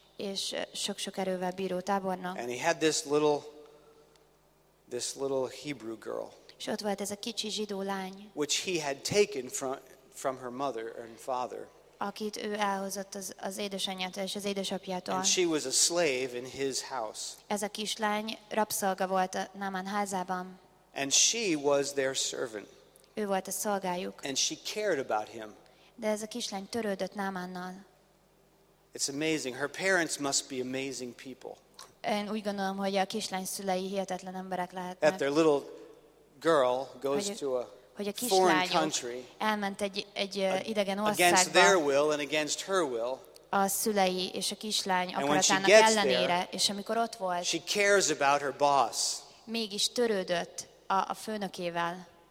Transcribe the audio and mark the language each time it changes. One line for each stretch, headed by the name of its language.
Hungarian: és sok-sok erővel bíró tábornok.
English: And he had this little Hebrew girl.
Hungarian: És ott volt ez a kicsi zsidó lány.
English: Which he had taken from her mother and father.
Hungarian: Akit ő elhozott az édesanyjától és az édesapjától.
English: And she was a slave in his house.
Hungarian: Ez a kislány rabszolga volt a Naaman házában.
English: And she was their servant.
Hungarian: Ő volt a szolgájuk.
English: And she cared about him.
Hungarian: De ez a kislány törődött Naamannal.
English: It's amazing. Her parents must be amazing people.
Hungarian: Én úgy gondolom, hogy a kislány szülei hihetetlen emberek lehetnek.
English: That their little girl goes to a foreign country.
Hungarian: Elment egy idegen országba.
English: Against their will and against her will.
Hungarian: A szülei és a kislány akaratának ellenére, és amikor ott volt.
English: She cares about her boss.
Hungarian: Mégis törődött a főnökével.